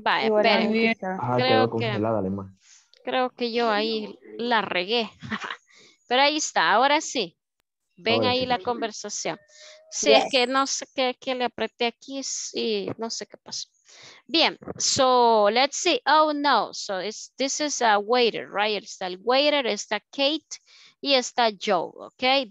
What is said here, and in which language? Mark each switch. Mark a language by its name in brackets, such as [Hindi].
[Spanish] Bueno, ajá, creo quedó congelada que, además. Creo que yo ahí la regué. Pero ahí está, ahora sí. Ven ahora ahí sí, la sí. Conversación. Sí, yes. Es que no sé qué le apreté aquí y sí, no sé qué pasó. Bien, [English] so let's see. Oh no, so it's, this is a waiter, right? [Spanish] Está el waiter, está Kate y está Joe, ok.